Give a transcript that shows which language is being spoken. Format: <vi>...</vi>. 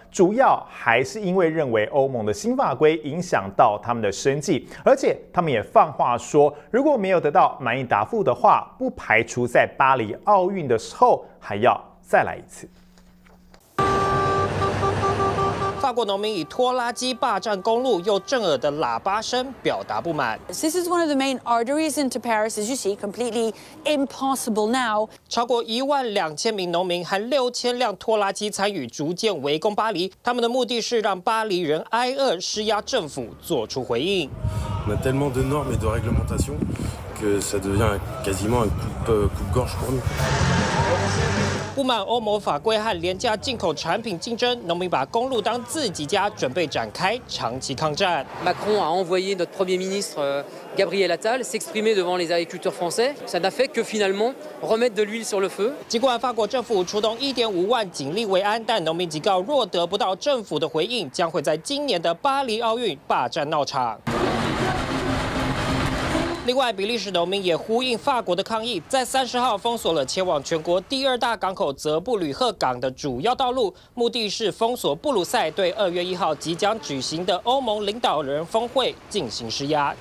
<zh>主要还是因为认为欧盟的新法规影响到他们的生计，而且他们也放话说如果没有得到满意答复的话，不排除在巴黎奥运的时候还要再来一次。法国农民以拖拉机霸占公路又震耳的喇叭声表达不满。</zh> <en>This is one of the main arteries into Paris, as you see, completely impossible now.</en> <zh>超过12000名农民和6000辆拖拉机参与逐渐围攻巴黎，他们的目的是让巴黎人挨饿，施压政府做出回应。</zh> <fr>On a tellement de normes et de réglementations que ça devient quasiment un coupe-gorge pour nous.</fr> <zh>不满欧盟法规和廉价进口产品竞争，农民把公路当自己家，准备展开长期抗战。</zh> <fr>Macron a envoyé notre premier ministre Gabriel Attal s'exprimer devant les agriculteurs français. Ça n'a fait que finalement remettre de l'huile sur le feu.</fr> <zh>尽管法国政府出动1.5万警力维安，但农民警告，若得不到政府的回应，将会在今年的巴黎奥运霸占闹场。另外，比利时农民也呼应法国的抗议，在30号封锁了前往全国第二大港口泽布吕赫港的主要道路，目的是封锁布鲁塞对2月1号即将举行的欧盟领导人峰会进行施压。</zh>